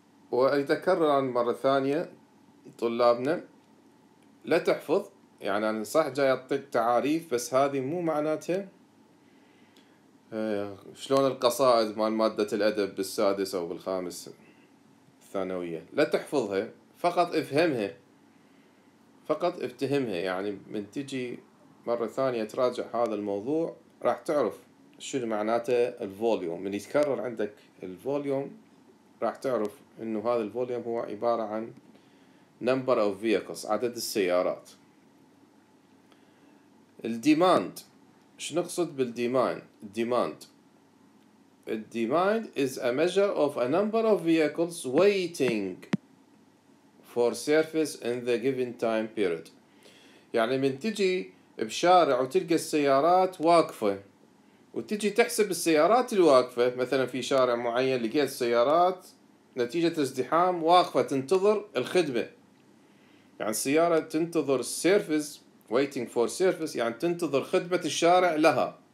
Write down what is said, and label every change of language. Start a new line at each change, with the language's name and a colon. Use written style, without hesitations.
Arabic: وأتكرر عن مرة ثانية طلابنا لا تحفظ، يعني أنا صح جاي أعطيك تعاريف بس هذه مو معناتها شلون القصائد مال مادة الأدب بالسادس أو بالخامس ثانوية، لا تحفظها، فقط افهمها، فقط افتهمها، يعني من تجي مرة ثانية تراجع هذا الموضوع راح تعرف شنو معناته الفوليوم. من يتكرر عندك الفوليوم راح تعرف إنه هذا الفوليوم هو عبارة عن
English: number of vehicles،
Arabic: عدد السيارات. الديماند، ايش نقصد بالديماند؟ الديماند، الديماند
English: is a measure of a number of vehicles waiting for service in the given time period.
Arabic: يعني من تجي بشارع وتلقى السيارات واقفة وتجي تحسب السيارات الواقفة، مثلا في شارع معين لقيت السيارات نتيجة ازدحام واقفة تنتظر الخدمة، يعني السيارة تنتظر السيرفيس،
English: waiting for service
Arabic: يعني تنتظر خدمة الشارع لها.